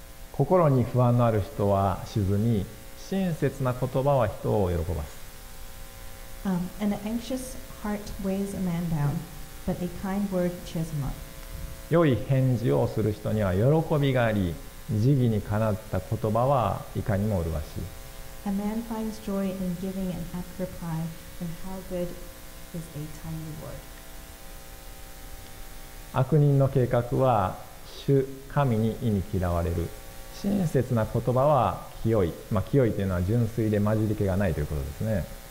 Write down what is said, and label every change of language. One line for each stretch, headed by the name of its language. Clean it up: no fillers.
Japanese: 心に不安のある人は沈み、親切な言葉は人を喜ばす。
English: An anxious heart weighs a man down, but a kind word cheers him up.
Japanese: 良い返事をする人には喜びがあり、慈悲にかなった言葉はいかにも麗しい。
English: A man finds joy in giving an apt reply, and how good is a timely word.
Japanese: 悪人の計画は主神に忌み嫌われる。親切な言葉は清い。まあ、清いというのは純粋で混じり気がないということですね。